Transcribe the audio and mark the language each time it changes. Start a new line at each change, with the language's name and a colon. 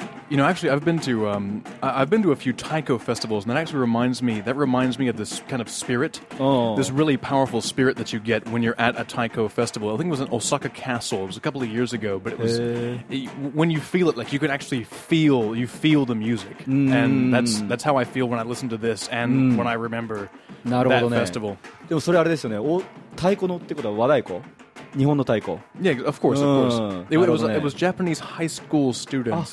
English: You know, actually, I've been to a few Taiko festivals, and that reminds me of this kind of spirit, this really powerful spirit that you get when you're at a Taiko festival. I think it was in Osaka Castle. It was a couple of years ago, but it was when you feel it, like you can actually feel the music, and that's how I feel when I listen to this and when I remember that festival.
Japanese: でもそれあれですよね。お、太鼓のってことは和太鼓。日本の太鼓?
English: Yeah, of course, It was Japanese high school students,